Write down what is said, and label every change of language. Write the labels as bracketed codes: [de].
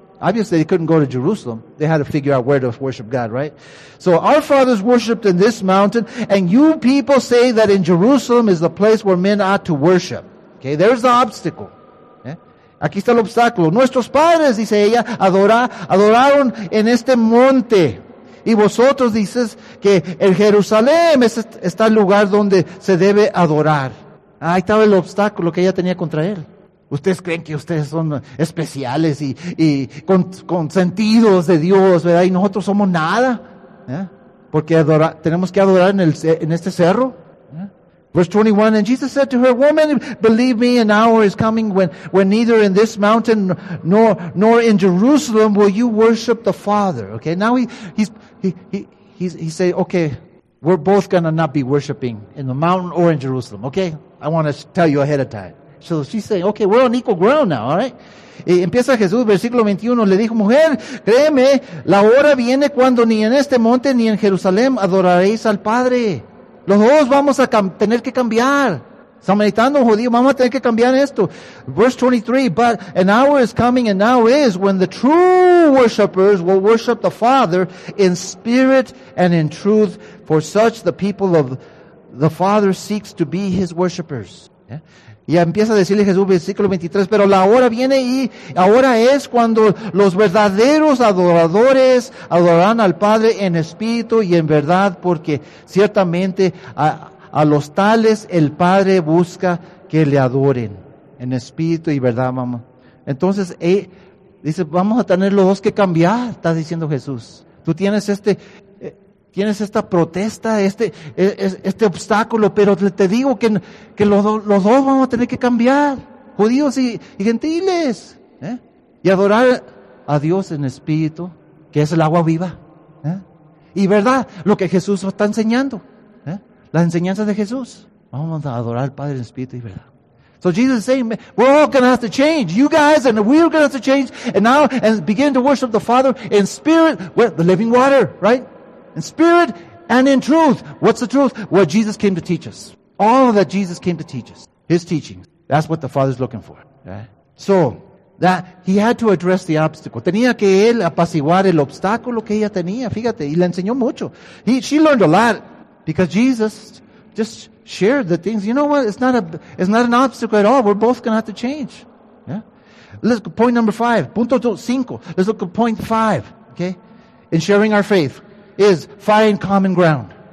[en] Obviously, they couldn't go to Jerusalem. They had to figure out where to worship God, right? So our fathers worshipped in this mountain, and you people say that in Jerusalem is the place where men ought to worship. Okay, there's the obstacle. [es] Aquí está el obstáculo. Nuestros padres, dice ella, adoraron en este monte. Y vosotros dices que en Jerusalén está el lugar donde se debe adorar. Ahí estaba el obstáculo que ella tenía contra él. Ustedes creen que ustedes son especiales y con sentidos de Dios, ¿verdad? Y nosotros somos nada. Porque tenemos que adorar en este cerro. [en] Verse 21, and Jesus said to her, "Woman, believe me, an hour is coming when neither in this mountain nor in Jerusalem will you worship the Father." Okay, now he said, okay, we're both going to not be worshiping in the mountain or in Jerusalem. Okay, I want to tell you ahead of time. So she's saying, okay, we're on equal ground now, all right? [es] Y empieza Jesús, versículo 21, le dijo, mujer, créeme, la hora viene cuando ni en este monte ni en Jerusalén adoraréis al Padre. Los dos vamos a tener que cambiar. Samaritano, judío, vamos a tener que cambiar esto. [en] Verse 23, but an hour is coming and now is when the true worshipers will worship the Father in spirit and in truth. For such the people of the Father seeks to be his worshipers. [es] Y empieza a decirle Jesús, versículo 23, pero la hora viene y ahora es cuando los verdaderos adoradores adorarán al Padre en espíritu y en verdad, porque ciertamente a los tales el Padre busca que le adoren en espíritu y verdad, mamá. Entonces, dice, vamos a tener los dos que cambiar, está diciendo Jesús. Tú tienes tienes esta protesta, este obstáculo, pero te digo que los dos vamos a tener que cambiar, judíos y gentiles, y adorar a Dios en espíritu, que es el agua viva, y verdad, lo que Jesús está enseñando, las enseñanzas de Jesús, vamos a adorar al Padre en espíritu y verdad. [en] So Jesus is saying, we're all going to have to change. You guys and we're going to have to change and begin to worship the Father in spirit, with the living water, right? In spirit and in truth. What's the truth? What Jesus came to teach us. All that Jesus came to teach us. His teachings. That's what the Father's looking for. Okay? So, that he had to address the obstacle. [es] Tenía que él apaciguar el obstáculo que ella tenía. Fíjate, y le enseñó mucho. [en] She learned a lot because Jesus just shared the things. You know what? It's not an obstacle at all. We're both going to have to change. Yeah? Let's go point number five. [es] Punto cinco. [en] Let's look at point five. Okay? In sharing our faith. Is find common ground.